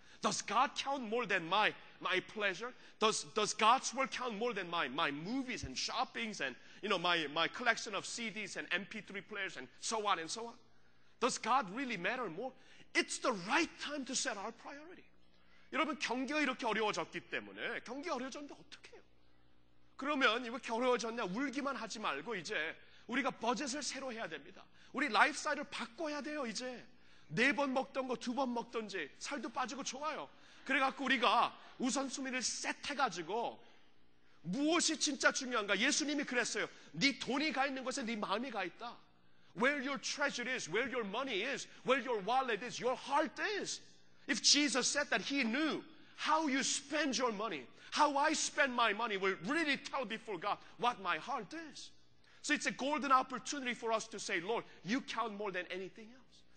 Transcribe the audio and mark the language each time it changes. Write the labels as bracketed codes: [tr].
[en] Does God count more than my pleasure? Does God's work count more than my movies and shoppings and, you know, my collection of CDs and MP3 players and so on and so on? Does God really matter more? It's the right time to set our priority. [ko] 여러분, 경기가 이렇게 어려워졌기 때문에 경기가 어려워졌는데 어떡해요? 그러면 이렇게 어려워졌냐 울기만 하지 말고 이제 우리가 버젯을 새로 해야 됩니다. 우리 라이프스타일을 바꿔야 돼요. 이제 네 번 먹던 거 두 번 먹던지 살도 빠지고 좋아요. 그래갖고 우리가 우선순위를 셋해가지고 무엇이 진짜 중요한가? 예수님이 그랬어요. 네 돈이 가 있는 곳에 네 마음이 가 있다. [en] Where your treasure is, where your money is, where your wallet is, your heart is. If Jesus said that, he knew how you spend your money, how I spend my money will really tell before God what my heart is. So it's a golden opportunity for us to say, Lord, you count more than anything else.